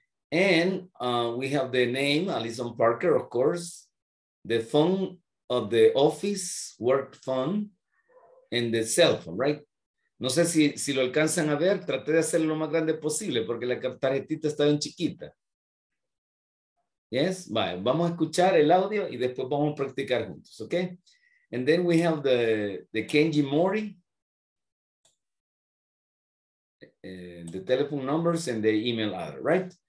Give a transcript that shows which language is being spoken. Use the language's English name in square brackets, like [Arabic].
[English] And we have the name, Alison Parker, of course, the phone of the office, work phone, and the cell phone, right? [Spanish] No sé si lo alcanzan a ver, traté de hacerlo lo más grande posible porque la tarjetita está bien chiquita. Yes? Vale, vamos a escuchar el audio y después vamos a practicar juntos, ¿ok? [English] And then we have the Kenji Mori, the telephone numbers and the email address, right?